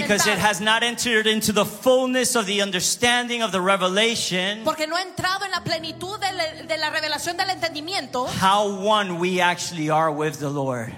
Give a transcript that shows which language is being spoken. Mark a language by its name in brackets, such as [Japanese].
[English] Because it has not entered into the fullness of the understanding of the revelation. [Spanish] Porque no ha entrado en la plenitud de la revelación del entendimiento. [English] How one we actually are with the Lord.